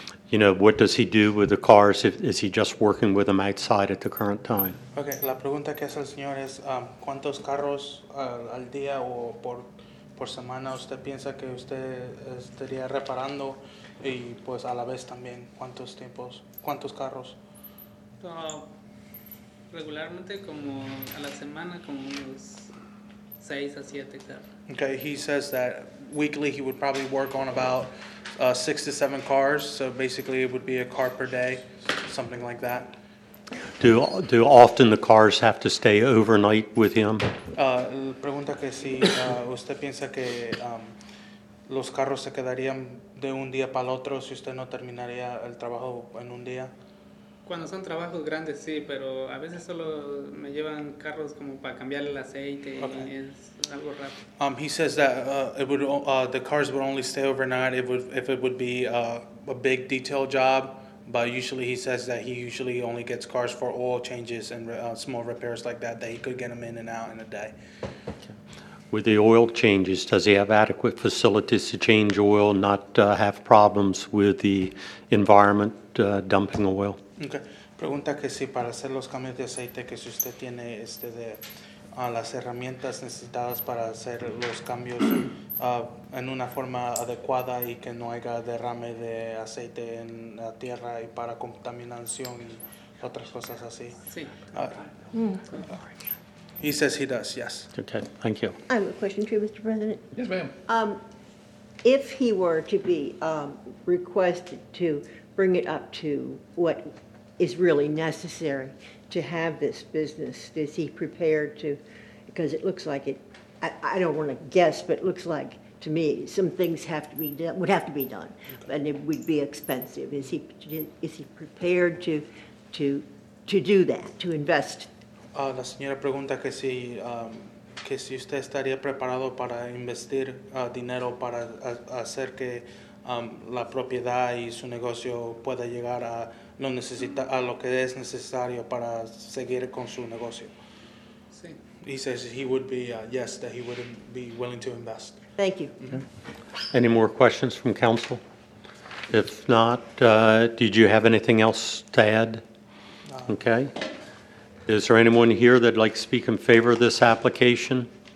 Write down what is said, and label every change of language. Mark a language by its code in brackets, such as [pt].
[en] What does he do with the cars? Is he just working with them outside at the current time? [es] Okay, la pregunta que hace el señor es, ¿cuántos carros al día o por semana usted piensa que usted estaría reparando? Y pues a la vez también, ¿cuántos carros? Regularmente como a la semana, como unos 6 a 7 carros. [en] Okay, he says that weekly he would probably work on about 6 to 7 cars, so basically it would be a car per day, something like that. Do often the cars have to stay overnight with him? [es] Pregunta que si usted piensa que los carros se quedarían de un día para el otro si usted no terminaría el trabajo en un día. Cuando son trabajos grandes, sí, pero a veces solo me llevan carros como para cambiar el aceite. Okay. Y es algo rápido. [en] He says that the cars would only stay overnight if it would be a big detail job, but usually he says that he usually only gets cars for oil changes and small repairs like that, that he could get them in and out in a day. With the oil changes, does he have adequate facilities to change oil, not have problems with the environment dumping oil? Okay. [es] Pregunta que si para hacer los cambios de aceite, que si usted tiene las herramientas necesitadas para hacer los cambios en una forma adecuada y que no haya derrame de aceite en la tierra y para contaminación y otras cosas así. Sí. [en] He says he does, yes. Okay, thank you. I have a question too, Mr. President. Yes, ma'am. If he were to be requested to bring it up to what is really necessary to have this business, is he prepared to, because it looks like it, I don't want to guess, but it looks like to me some things have to be done, would have to be done, and it would be expensive. Is he prepared to do that, to invest? [es] La señora pregunta que si usted estaría preparado para invertir dinero para hacer que la propiedad y su negocio pueda llegar a lo necesita, a lo que es necesario para seguir con su negocio. Sí. [en] He says he would be, yes, that he would be willing to invest. Thank you. Okay. Any more questions from council? If not, did you have anything else to add? No. Okay. Is there anyone here that'd like to speak in favor of this application?